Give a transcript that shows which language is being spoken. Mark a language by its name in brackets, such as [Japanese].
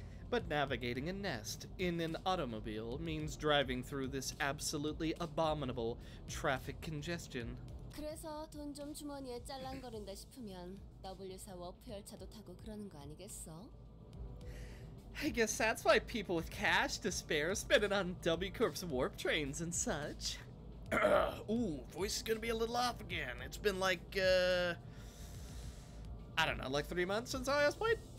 [English] But navigating a nest in an automobile means driving through this absolutely abominable traffic congestion. [Korean] 그래서 돈 좀 주머니에 짤랑거린다 싶으면 W4 워프 열차도 타고 그러는 거 아니겠어? [English] I guess that's why people with cash to spare spend it on W-Corp's warp trains and such. Ooh, voice is gonna be a little off again. It's been like, I don't know, like 3 months since I last played?